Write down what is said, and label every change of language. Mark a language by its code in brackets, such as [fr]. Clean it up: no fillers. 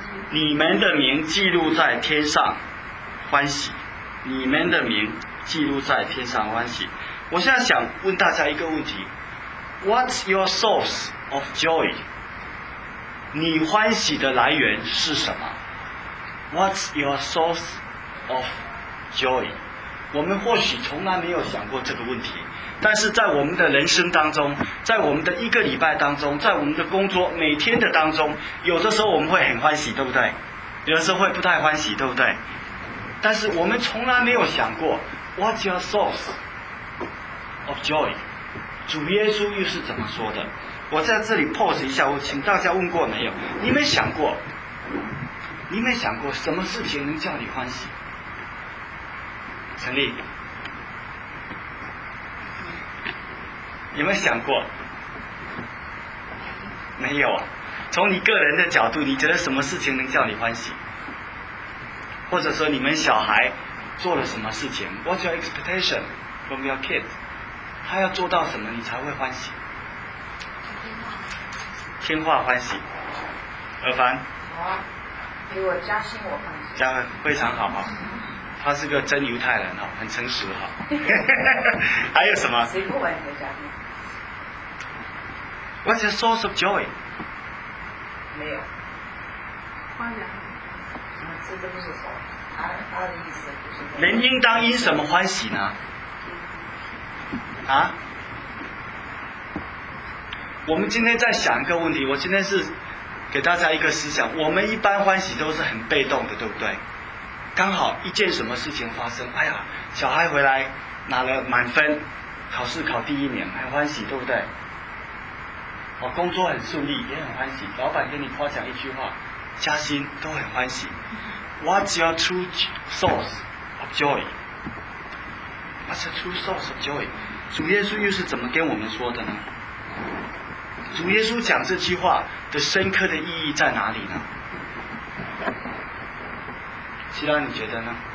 [zh] 你们的名记录在天上欢喜，你们的名记录在天上欢喜。我现在想问大家一个问题， [en] What's your source of joy? [zh] 你欢喜的来源是什么？ [en] What's your source of joy? [zh] 我们或许从来没有想过这个问题，但是在我们的人生当中，在我们的一个礼拜当中，在我们的工作每天的当中，有的时候我们会很欢喜，对不对？有的时候会不太欢喜，对不对？但是我们从来没有想过 [en] What's your source of joy? [zh] 主耶稣又是怎么说的？我在这里 pause 一下，我请大家问过没有？你没想过，你没想过什么事情能叫你欢喜？陈立，你没想过？没有啊。从你个人的角度，你觉得什么事情能叫你欢喜？或者说你们小孩做了什么事情？ [en] What's your expectation from your kid? [zh] 他要做到什么你才会欢喜？听话欢喜，尔凡。好啊，给我加薪我欢喜。加非常好哈、哦，他是个真犹太人哈、哦，很诚实哈、哦。还有什么？谁不玩你的加薪 [en] ？What's your source of joy？ [zh] 没有，欢喜。这不是错，他的意思就是。人应当因什么欢喜呢？啊？我们今天在想一个问题，我今天是给大家一个思想，我们一般欢喜都是很被动的，对不对？刚好一件什么事情发生，哎呀，小孩回来拿了满分，考试考第一名，很欢喜，对不对？我工作很顺利，也很欢喜，老板给你夸奖一句话，加薪，都很欢喜。 [en] What's your true source of joy? What's your true source of joy? [zh] 主耶稣又是怎么跟我们说的呢？主耶稣讲这句话的深刻的意义在哪里呢？希拉，你觉得呢？